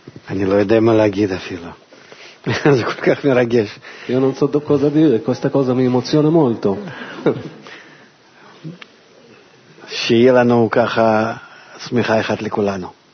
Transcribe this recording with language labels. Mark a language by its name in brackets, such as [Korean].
[Hebrew] אני לא יודע מה להגיד אפילו. זה כל כך מרגש. [Italian] Io non so cosa dire, questa cosa mi emoziona molto. [Hebrew] שיהיה לנו ככה שמחה אחת לכולנו.